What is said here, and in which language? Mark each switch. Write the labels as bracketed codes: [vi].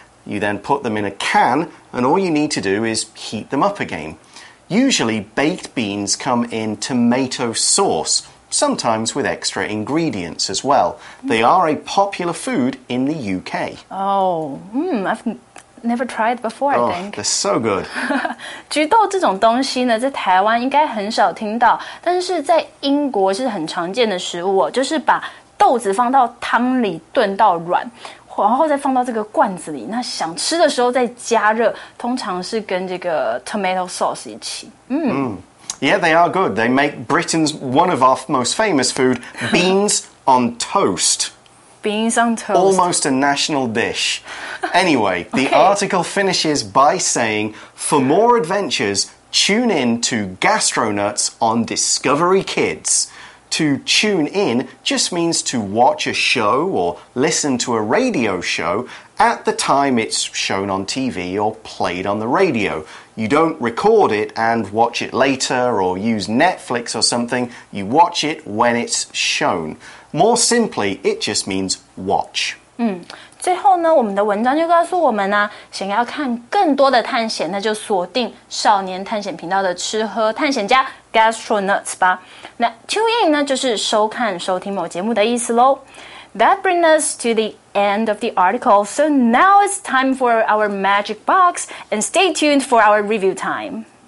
[en] You then put them in a can and all you need to do is heat them up again. Usually baked beans come in tomato sauce,Sometimes with extra ingredients as well. They are a popular food in the UK. I've never tried before, I think. They're so good. [zh] 橘豆这种东西呢，在台湾应该很少听到，但是在英国是很常见的食物哦，就是把豆子放到汤里炖到软，然后再放到这个罐子里，那想吃的时候再加热，通常是跟这个 tomato sauce 一起。 [en] Yeah, they are good. They make Britain's one of our most famous food, beans on toast. Beans on toast. Almost a national dish. Anyway, the article finishes by saying, for more adventures, tune in to Gastronuts on Discovery Kids. To tune in just means to watch a show or listen to a radio show at the time it's shown on TV or played on the radio. You don't record it and watch it later or use Netflix or something. You watch it when it's shown. More simply, it just means watch. [zh] 最后呢，我们的文章就告诉我们呢、啊，想要看更多的探险，那就锁定少年探险频道的吃喝探险家 Gastronuts 吧。那 tune in 呢，就是收看、收听某节目的意思咯。 [en] That brings us to the end of the article. So now it's time for our magic box and stay tuned for our review time.